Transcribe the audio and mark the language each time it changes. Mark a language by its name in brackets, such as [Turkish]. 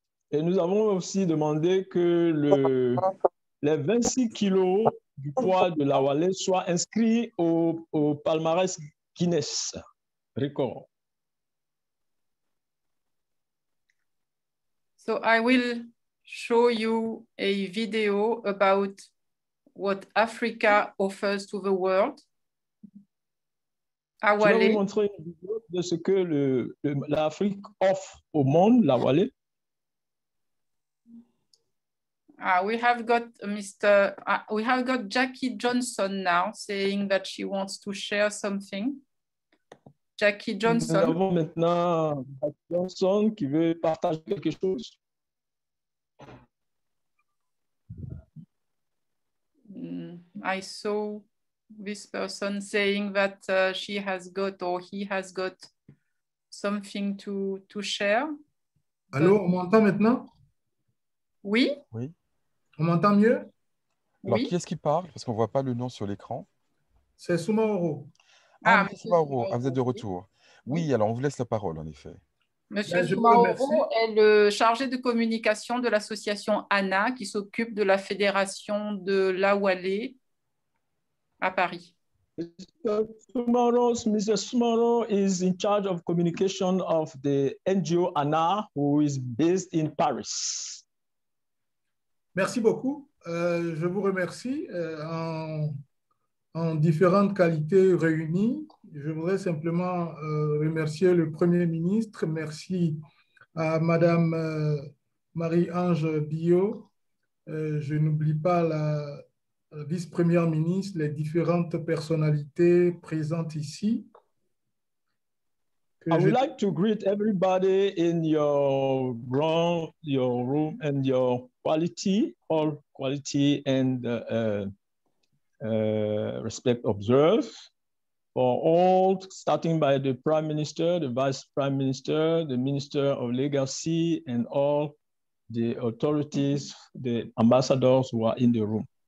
[French] Et nous avons aussi demandé que les 26 kilos du poids de l'Awale soient inscrits au palmarès Guinness record. [English] So I will show you a video about what Africa offers to the world. [French] Awale. Je vais vous montrer une vidéo de ce que l'Afrique offre au monde, l'Awale. [English] We have got Jackie Johnson now saying that she wants to share something. Jackie Johnson. [French] Nous avons maintenant Jackie Johnson qui veut partager quelque chose. [English] I saw this person saying that she has got or he has got something to share. [French] Allô, on m'entend maintenant? Oui. Oui. On m'entend mieux? Alors, oui. Qui est-ce qui parle? Parce qu'on ne voit pas le nom sur l'écran. C'est Soumaoro. Ah, Soumaoro, vous êtes de retour. Oui, alors on vous laisse la parole, en effet. Monsieur Soumaoro est le chargé de communication de l'association ANA qui s'occupe de la fédération de l'Awale à Paris. [English] Mr. Soumaoro is in charge of communication of the NGO ANA, who is based in Paris. [French] Merci beaucoup. Je vous remercie. En différentes qualités réunies, je voudrais simplement remercier le Premier ministre. Merci à Madame Marie-Ange Biot. Je n'oublie pas la vice-première ministre, les différentes personnalités présentes ici. [English] I would like to greet everybody in your room and your quality, all quality and respect observed for all, starting by the Prime Minister, the Vice Prime Minister, the Minister of Legacy, and all the authorities, the ambassadors who are in the room.